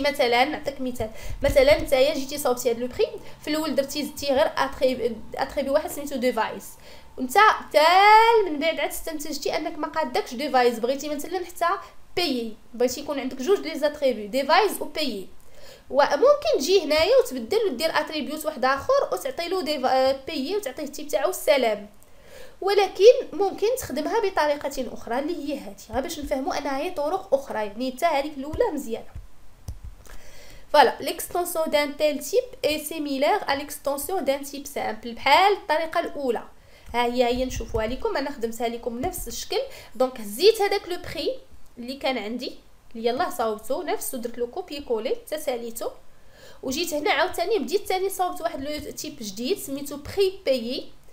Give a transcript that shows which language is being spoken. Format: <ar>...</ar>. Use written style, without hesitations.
<ar>مثلا نعطيك مثال، مثلا نتايا جيتي صوبتي هاد لو بري في الاول درتي زدتي غير اتريبي واحد سميتو ديفايس، وانت تال من بعد عاد استنتجتي انك ما قادكش ديفايس، بغيتي مثلا حتى بي، بغيتي يكون عندك جوج لي زاتريبي ديفايس و بي. وممكن تجي هنايا وتبدل ودير اتريبيوت واحد اخر وتعطي له بي وتعطيه التيب تاعو السلام، ولكن ممكن تخدمها بطريقه اخرى اللي هي هذه، غير باش نفهموا انها هي طرق اخرى، يعني حتى هذيك الاولى مزيانه.</ar> <fr>Voilà, l'extension d'un tel type est similaire à l'extension d'un type simple.</fr> <ar>بحال الطريقة الأولى. هي هي نشوفوها لكم، انا خدمتها لكم نفس الشكل. دونك هزيت هذاك لو بري اللي كان عندي اللي يلاه صاوبته نفسه، درت له كوبي كولي تساليته، وجيت هنا عاوتاني بديت ثاني صاوبت واحد لو تيب جديد سميتو بري بايي.</ar>